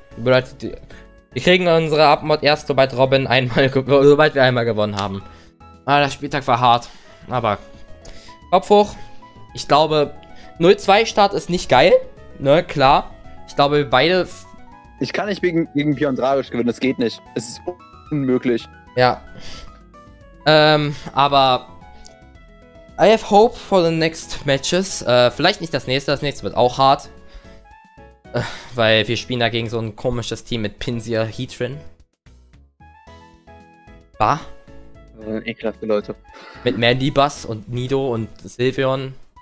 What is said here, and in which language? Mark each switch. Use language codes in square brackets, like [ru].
[de] Bedeutet, wir kriegen unsere Abmod erst, sobald Robin einmal, sobald wir einmal gewonnen haben. Ah, der Spieltag war hart. Aber Kopf hoch. Ich glaube, 0-2 Start ist nicht geil. Ne, klar. Ich glaube, beide. Ich kann nicht gegen Björn Dragic gewinnen. Das geht nicht. Es ist unmöglich. Ja. [en] Aber I have hope for the next matches. [de] Vielleicht nicht das nächste wird auch hart. Weil wir spielen da gegen so ein komisches Team mit Pinsir Heatran. Bah. Ekelhafte Leute. Mit Mandibuzz und Nido und Sylveon.